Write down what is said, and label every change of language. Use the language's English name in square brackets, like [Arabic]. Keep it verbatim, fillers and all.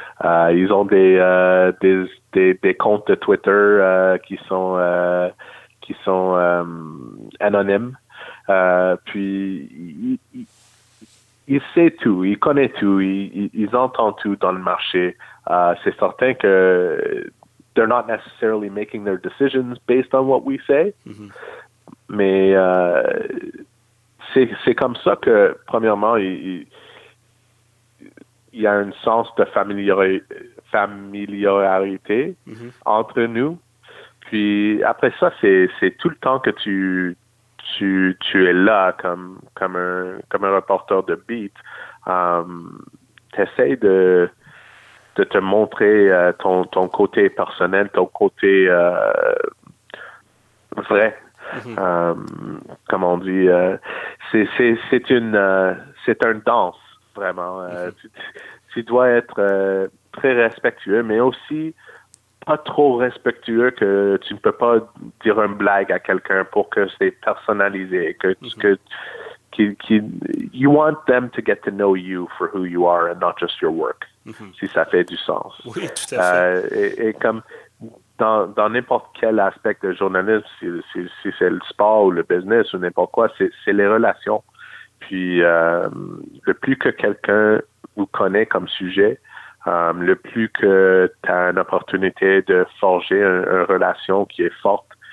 [French] Uh, ils ont des, uh, des, des, des comptes de Twitter uh, qui sont, uh, qui sont um, anonymes. Uh, puis, ils, il sait tout, il connaît tout, il, il, il entend tout dans le marché. Uh, c'est certain que [English] they're not necessarily making their decisions based on what we say. Mm-hmm. [French] Mais uh, c'est, c'est comme ça que, premièrement, il, il y a un sens de familiari- familiarité mm-hmm. entre nous. Puis après ça, c'est, c'est tout le temps que tu... Tu, tu es là comme, comme, un, comme un reporter de beat. Um, t'essayes de, de te montrer euh, ton, ton côté personnel, ton côté euh, vrai. Mm-hmm. Um, comme on dit, euh, c'est, c'est, c'est, une, euh, c'est une danse, vraiment. Mm-hmm. Euh, tu, tu dois être euh, très respectueux, mais aussi... pas trop respectueux que tu ne peux pas dire une blague à quelqu'un pour que c'est personnalisé, que mm-hmm. que qui, qui, [English] you want them to get to know you for who you are and not just your work. [French] Mm-hmm. Si ça fait du sens. Oui, tout à fait. Euh, et, et comme dans, dans n'importe quel aspect de journalisme, si, si, si c'est le sport ou le business ou n'importe quoi, c'est, c'est les relations. Puis euh, le plus que quelqu'un vous connaît comme sujet, Um, le plus que tu as une opportunité de forger une, une relation qui est forte.